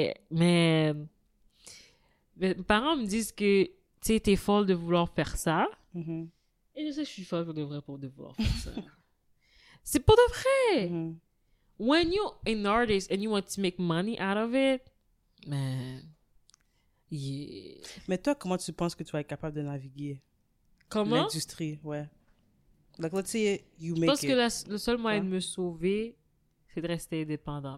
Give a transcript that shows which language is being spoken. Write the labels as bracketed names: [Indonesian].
[French] Mais mes parents me disent que tu sais, t'es folle de vouloir faire ça. Mm-hmm. Et je sais que je suis folle de vrai pour de vouloir faire ça. C'est pour de vrai. Mm-hmm. [English] When you're an artist and you want to make money out of it, man. Yeah. [French] Mais toi, comment tu penses que tu vas être capable de naviguer? Comment? [English] L'industrie, ouais. Like, let's say you make [French] it. Je pense [English] it. [French] Que le seul moyen de me sauver, c'est de rester indépendant.